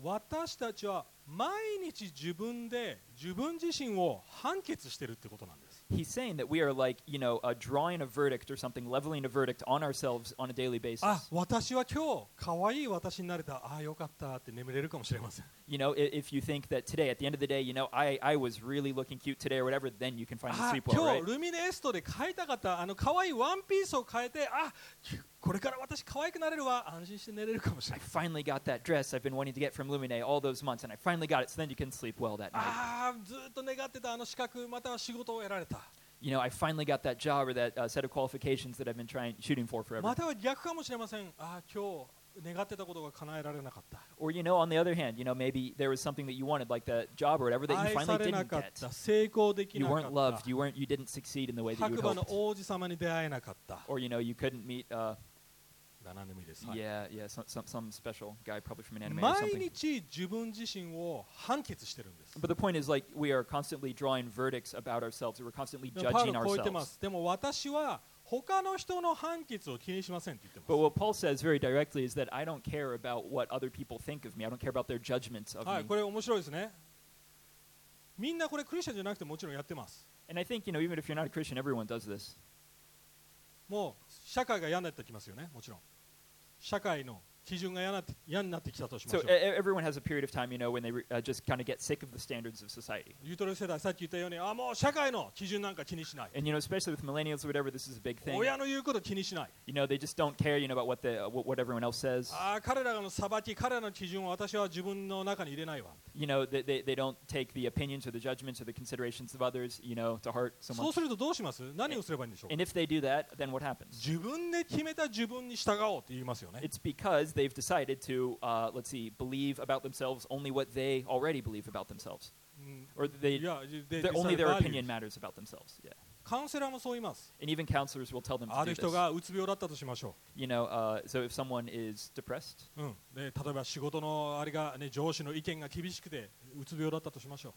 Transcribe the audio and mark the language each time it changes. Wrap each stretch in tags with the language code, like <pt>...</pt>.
<ja>私たちは毎日自分で自分自身を判決してるってことなんです。</ja> <en>He's saying that we are like, you know, drawing a verdict or something, leveling a verdict on ourselves on a daily basis.</en> <ja>あ、私は今日可愛い私になれた。ああ、よかったって眠れるかもしれません。</ja> <en>You know, if you think that today, at the end of the day, you know, I was really looking cute today or whatever, then you can find the sleep well, right?</en> <ja>今日ルミネエストで買いたかった、あの可愛いワンピースを買えて、あ、これから私可愛くなれるわ。安心して寝れるかもしれない。</ja> <en>I finally got that dress I've been wanting to get from Lumine all those months, and I finally got it, so then you can sleep well that night.</en> <ja>ああ、ずっと願ってたあの資格、または仕事を得られた。</ja> <en>You know, I finally got that job or that set of qualifications that I've been shooting for forever.</en> <ja>または逆かもしれません。ああ、今日。願ってたことが叶えられなかった。</ja> <en>Or you know, on the other hand, you know, maybe there was something that you wanted, like that job or whatever that you finally didn't get.</en> <ja>愛されなかった。成功できなかった。</ja> <en>You weren't loved. You didn't succeed in the way that you hoped.</en> <ja>白馬の王子様に出会えなかった。</ja> <en>Or you know, you couldn't meet.</en> <ja>何でもいいです。</ja> <en>Yeah, some special guy probably from an anime or something.</en> <ja>毎日自分自身を判決してるんです。</ja> <en>But the point is, like, we are constantly drawing verdicts about ourselves. We're constantly judging ourselves.</en> <ja>でも私は他の人の判決を気にしませんって言ってます。</ja> <en>But what Paul says very directly is that I don't care about what other people think of me. I don't care about their judgments of me.</en> <ja>はい、これ面白いですね。みんなこれクリスチャンじゃなくてもちろんやってます。</ja> <en>And I think, you know, even if you're not a Christian, everyone does this.</en> <ja>もう社会が嫌になってきますよね、もちろん。社会の基準が嫌になってきたとしましょう。</ja> <en>So everyone has a period of time, you know, when they just kind of get sick of the standards of society.</en> <ja>ゆとり世代、さっき言ったように、あ、もう社会の基準なんか気にしない。</ja> <en>And you know, especially with millennials or whatever, this is a big thing.</en> <ja>親の言うこと気にしない。</ja> <en>You know, they just don't care, you know, about what everyone else says.</en> <ja>あ、彼らの裁き、彼らの基準を私は自分の中に入れないわ。</ja> <en>You know, they don't take the opinions or the judgments or the considerations of others, you know, to heart so much.</en> <ja>そうするとどうします？何をすればいいんでしょう？</ja> <en>And if they do that, then what happens?</en> <ja>自分で決めた自分に従おうって言いますよね。</ja> <en>It's because they've decided to, let's see, believe about themselves only what they already believe about themselves. Or they only their opinion matters about themselves. Yeah.</en> <ja>カウンセラーもそう言います。</ja> <en>And even counselors will tell them to do this.</en> <ja>ある人がうつ病だったとしましょう。</ja> <en>You know, so if someone is depressed. うん。</en> <ja>で、例えば仕事のあれがね、上司の意見が厳しくてうつ病だったとしましょう。</ja>